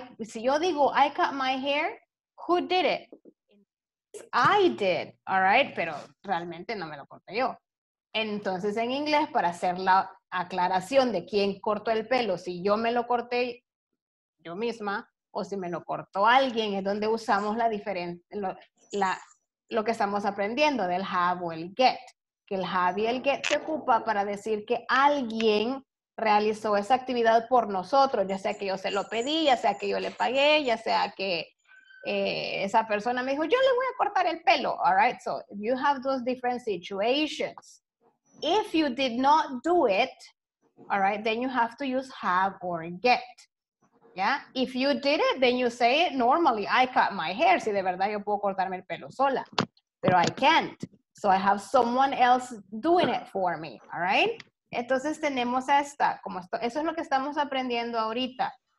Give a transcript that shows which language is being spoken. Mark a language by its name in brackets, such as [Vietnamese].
[Spanish] Si yo digo, [English] I cut my hair, who did it? I did, all right? [Spanish] Pero realmente no me lo corté yo. Entonces en inglés, para hacer la aclaración de quién cortó el pelo, si yo me lo corté, yo misma, o si me lo cortó alguien, es donde usamos la diferente, lo que estamos aprendiendo del have o el get. Que el have y el get se ocupa para decir que alguien realizó esa actividad por nosotros, ya sea que yo se lo pedí, ya sea que yo le pagué, ya sea que esa persona me dijo, yo le voy a cortar el pelo. [English] All right, so you have those different situations. If you did not do it, all right, then you have to use have or get. Yeah, if you did it, then you say it normally. I cut my hair. [Spanish] Si de verdad yo puedo cortarme el pelo sola, pero [English] I can't. So I have someone else doing it for me. All right. [Spanish] Entonces tenemos esta, como esto, eso es lo que estamos aprendiendo ahorita.